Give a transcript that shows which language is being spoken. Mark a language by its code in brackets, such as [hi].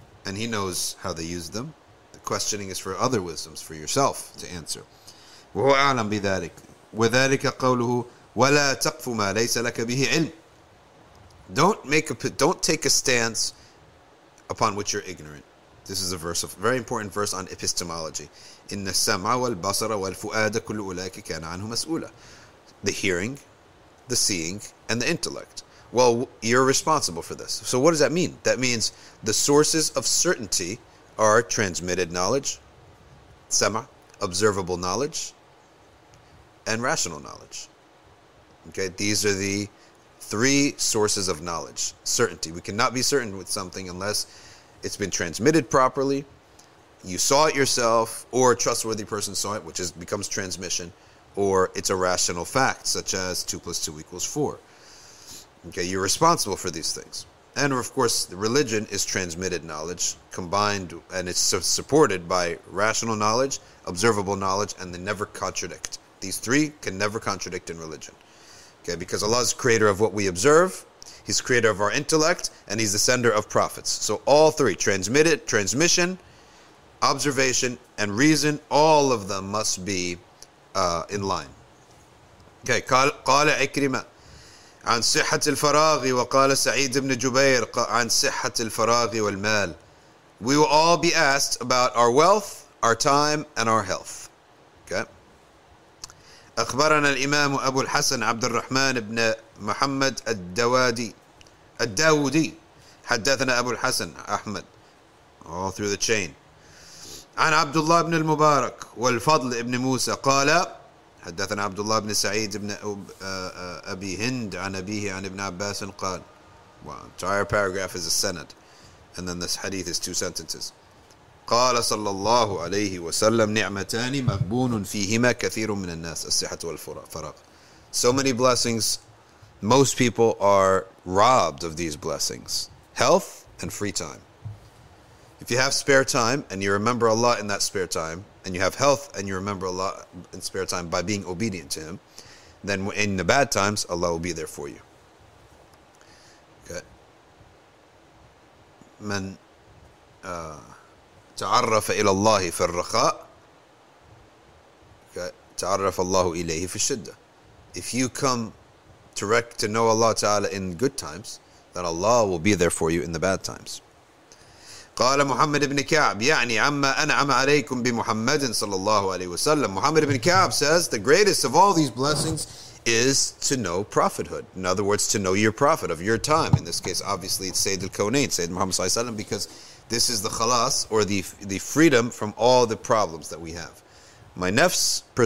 [en] And He knows how they use them. The questioning is for other wisdoms, for yourself to answer. [ar] وَهُوَ أَعْلَمُ بِذَلِكَ. وَذَلِكَ قَوْلُهُ وَلَا تَقْفُ مَا لَيْسَ لَكَ بِهِ عِلْمٍ. [en] Don't take a stance upon which you're ignorant. This is a verse, a very important verse on epistemology. [ar] إِنَّ السَّمْعَ وَالْبَصَرَ وَالْفُؤَادَ كُلُّ أُولَٰئِكَ كَانَ عَنْهُ مَسْؤُولًا. [en] The hearing, the seeing, and the intellect. Well, you're responsible for this. So what does that mean? That means the sources of certainty are transmitted knowledge, sama, observable knowledge, and rational knowledge. Okay, these are the three sources of knowledge. Certainty. We cannot be certain with something unless it's been transmitted properly, you saw it yourself, or a trustworthy person saw it, which is becomes transmission, or it's a rational fact, such as 2 plus 2 equals 4. Okay, you're responsible for these things. And of course, the religion is transmitted knowledge, combined, and it's supported by rational knowledge, observable knowledge, and they never contradict. These three can never contradict in religion. Okay, because Allah is creator of what we observe, He's creator of our intellect, and He's the sender of prophets. So all three, transmitted, transmission, observation, and reason, all of them must be in line. [ar] Okay, قال إكرمة عن صحة الفراغ وقال سعيد بن جبير عن صحة الفراغ والمال. [en] We will all be asked about our wealth, our time, and our health. [ar] أخبرنا الإمام أبو الحسن عبد الرحمن بن محمد الداودي حدثنا أبو الحسن أحمد [en] all through the chain [ar] عن عبد الله بن المبارك والفضل بن موسى قال حدثنا عبد الله بن سعيد بن أبي هند عن أبيه عن ابن عباس قال. [en] Wow, entire paragraph is a sanad, and then this hadith is two sentences. [ar] قال صلى الله عليه وسلم نعمتان مغبون فيهما كثير من الناس الصحة والفراغ. [en] So many blessings, most people are robbed of these blessings. Health and free time. If you have spare time and you remember Allah in that spare time, and you have health and you remember Allah in spare time by being obedient to Him, then in the bad times, Allah will be there for you. Okay. [ar] من تعرف إلى الله في الرخاء تعرف الله إليه في الشدة. [en] If you come to know Allah Ta'ala in good times, then Allah will be there for you in the bad times. [ar] قال محمد بن كعب يعني عما أنعم عليكم بمحمد صلى الله عليه وسلم. [en] Muhammad ibn Ka'b says the greatest of all these blessings is to know prophethood. In other words, to know your prophet of your time. In this case, obviously, it's Sayyid al-Kawnayn, Sayyid Muhammad [ar] صلى الله عليه وسلم, [en] because this is the khalas, or the freedom from all the problems that we have. My nafs